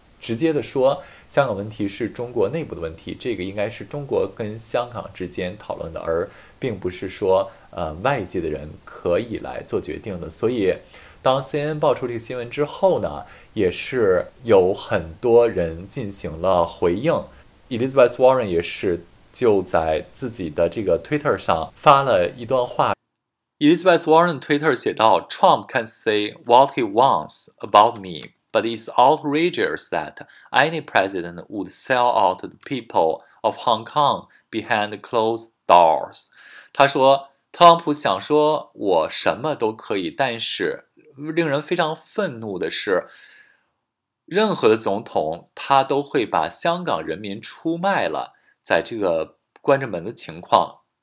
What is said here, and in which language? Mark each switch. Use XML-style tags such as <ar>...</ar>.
<zh>直接的说，香港问题是中国内部的问题，这个应该是中国跟香港之间讨论的，而并不是说外界的人可以来做决定的。所以，当 CNN 爆出这个新闻之后呢，也是有很多人进行了回应。 Elizabeth Warren 也是就在自己的这个 Twitter 上发了一段话。</zh> <en>Elizabeth Warren Twitter</en> <zh>写道：“</zh> <en>Trump can say what he wants about me。” But it's outrageous that any president would sell out the people of Hong Kong behind closed doors。</en> <zh>他说，特朗普想说我什么都可以，但是令人非常愤怒的是，任何的总统他都会把香港人民出卖了，在这个关着门的情况。</zh>